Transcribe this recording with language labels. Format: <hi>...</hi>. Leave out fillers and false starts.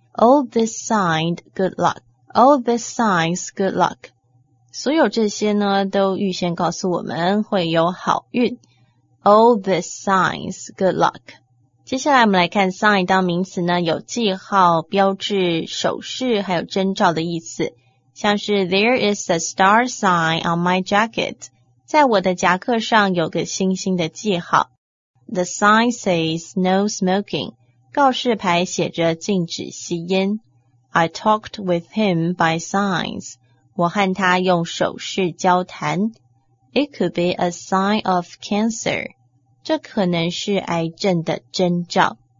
<en>All this signed good luck. All this signs good luck.</en> <zh>所有这些呢都预先告诉我们会有好运。</zh> <en>All this signs good luck.</en> <zh>接下来我们来看 sign 当名词呢有记号、标志、手势还有征兆的意思。</zh> <en>像是 There is a star sign on my jacket.</en> <zh>在我的夹克上有个星星的记号。</zh> <en>The sign says no smoking. 告示牌写着禁止吸烟。 I talked with him by signs. 我和他用手势交谈。 It could be a sign of cancer. 这可能是癌症的征兆。</en>